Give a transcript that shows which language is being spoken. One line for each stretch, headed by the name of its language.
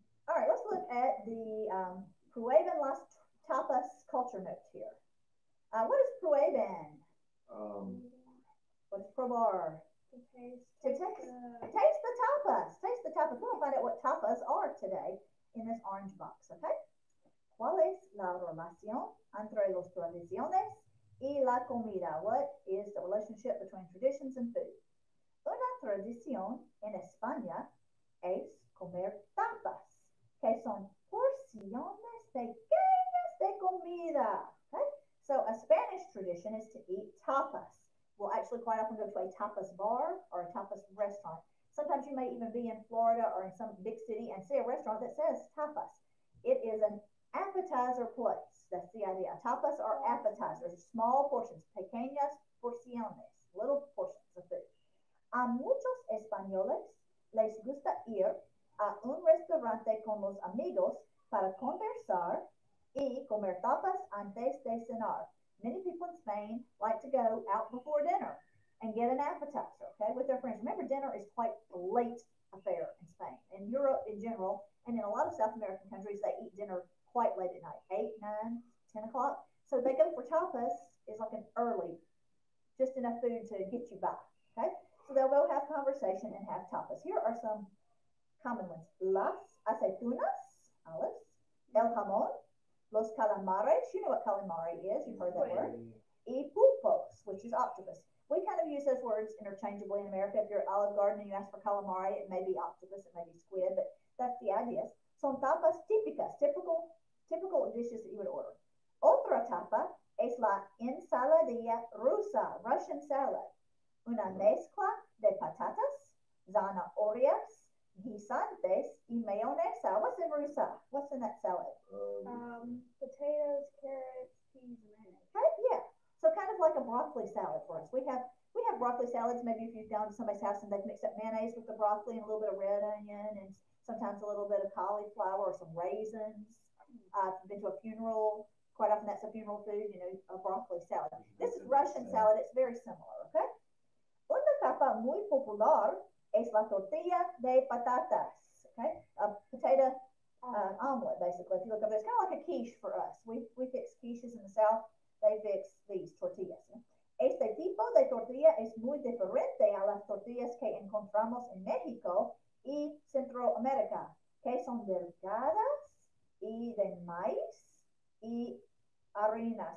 English: All right, let's look at the Pueban Las Tapas culture notes here. What is Pueban? What is probar? To taste the tapas. We'll find out what tapas are today in this orange box, okay?
Spanish: ¿Cuál es la relación entre las tradiciones y la comida?
English: What is the relationship between traditions and food?
Spanish: Una tradición en España es comer tapas, que son porciones pequeñas de comida.
English: Okay? So a Spanish tradition is to eat tapas. We'll actually quite often go to a tapas bar or a tapas restaurant. Sometimes you may even be in Florida or in some big city and see a restaurant that says tapas. It is an appetizer place. That's the idea. Tapas are appetizers, small portions, pequeñas porciones, little portions of food.
Spanish: A muchos españoles les gusta ir a un restaurante con los amigos para conversar y comer tapas antes de cenar.
English: Many people in Spain like to go out before dinner and get an appetizer, okay, with their friends. Remember, dinner is quite a late affair in Spain. In Europe in general, and in a lot of South American countries, they eat dinner quite late at night, 8, 9, 10 o'clock. So they go for tapas. It's like an early, just enough food to get you by, okay? So they'll go have conversation and have tapas. Here are some common ones.
Spanish: Las aceitunas, olives, el jamón, los calamares.
English: You know what calamari is. You've heard that word.
Spanish: Y pulpos,
English: which is octopus. We kind of use those words interchangeably in America. If you're at Olive Garden and you ask for calamari, it may be octopus, it may be squid, but that's the idea.
Spanish: Son tapas típicas,
English: typical dishes that you would order.
Spanish: Otra tapa es la ensaladilla rusa,
English: Russian salad.
Spanish: Una mezcla de patatas, zanahorias, guisantes y mayonesa.
English: What's in rusa? What's in that salad? Potatoes, carrots, peas, and mayonnaise. Right? Yeah. So kind of like a broccoli salad for us. We have broccoli salads. Maybe if you've gone to somebody's house and they've mixed up mayonnaise with the broccoli and a little bit of red onion and sometimes a little bit of cauliflower or some raisins. I've been to a funeral. Quite often that's a funeral food, you know, a broccoli salad. This is Russian salad. It's very similar, okay?
Spanish: Una tapa muy popular es la tortilla de patatas, okay?
English: A potato omelet, basically. If you look over there, it's kind of like a quiche for us. We fix quiches in the South. They fix these tortillas.
Spanish: Este tipo de tortilla es muy diferente a las tortillas que encontramos en México y Centroamérica, que son delgadas y de maíz y harina.